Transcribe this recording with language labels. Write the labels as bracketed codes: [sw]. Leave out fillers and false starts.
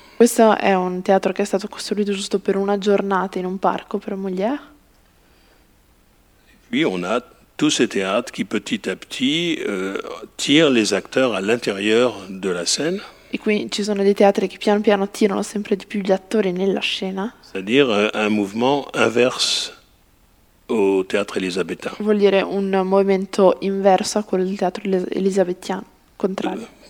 [it] Questo è un teatro che è stato costruito giusto per una giornata in un parco per Molière. [fr] Puis on a tous ces théâtres qui petit à petit tirent les acteurs à l'intérieur de la scène. [it] E qui ci sono dei teatri che piano piano tirano sempre di più gli attori nella scena. [fr] C'est-à-dire un mouvement inverse au théâtre élisabétain. [it] Vuol dire un movimento inverso a quello del teatro elisabettiano, contrario.